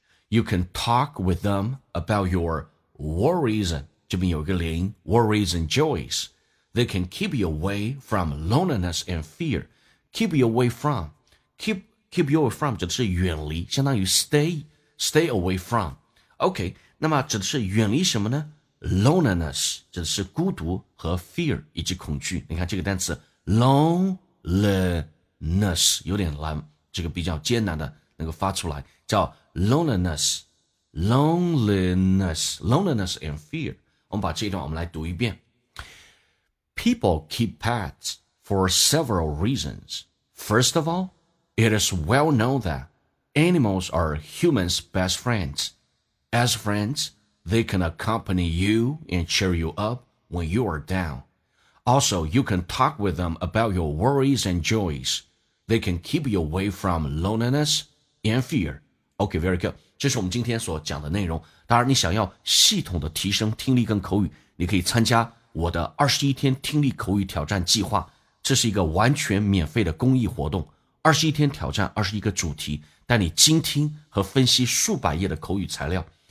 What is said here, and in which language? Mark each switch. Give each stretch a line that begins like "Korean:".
English: You can talk with them about your worries，
Chinese: 这边有一个连音，
English: worries and joys. They can keep you away from loneliness and fear. Keep you away from, keep you away from
Chinese: 指的是远离，相当于
English: stay away from.
Chinese: OK， 那么指的是远离什么呢？ Loneliness 指的是孤独和 fear 以及恐惧。你看这个单词 loneliness 有点难，这个比较艰难的那个发出来，叫
English: loneliness and fear。
Chinese: 我们把这一段我们来读一遍。
English: People keep petsFor several reasons. First of all, it is well known that animals are humans' best friends. As friends, they can accompany you and cheer you up when you are down. Also, you can talk with them about your worries and joys. They can keep you away from loneliness and fear. Okay, very good.
Chinese: 这是我们今天所讲的内容。当然，你想要系统的提升听力跟口语，你可以参加我的21天听力口语挑战计划。这是一个完全免费的公益活动，21天挑战，21个主题，带你精听和分析数百页的口语材料，